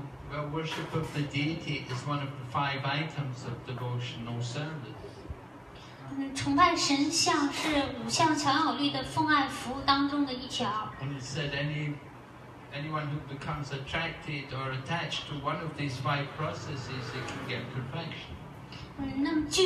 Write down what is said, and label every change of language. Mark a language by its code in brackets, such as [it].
[en] Well, worship of the deity is one of the five items of devotional service. [zh] 崇拜神像是五项强有力的奉爱服务当中的一条。 [en] And it said anyone who becomes attracted or attached to one of these five processes, it can get perfection.